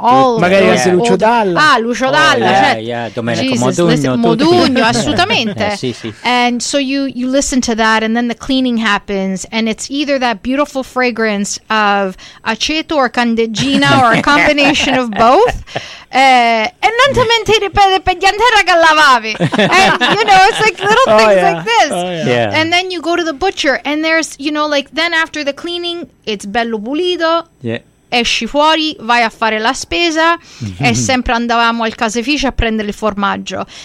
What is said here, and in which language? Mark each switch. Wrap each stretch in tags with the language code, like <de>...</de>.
<it>Lucio Dalla. Ah, Lucio Dalla.</it> <en>Yeah,</en> <it>cioè, Domenico Jesus, Modugno. Modugno, assolutamente. Sì, sì.</it> <en>And so you listen to that, and then the cleaning happens, and it's either that beautiful fragrance of aceto or candeggina or a combination of both.</en> <it>E non ti mentire per niente che lavavi.</it> <en>And, you know, it's like little things like this. Oh, yeah. And then you go to the butcher, and there's, you know, like, then after the cleaning, it's</en> <it>bello pulito.</it> <en>Yeah.</en> <it>Esci fuori, vai a fare la spesa. E sempre andavamo al caseificio a prendere il formaggio.</it>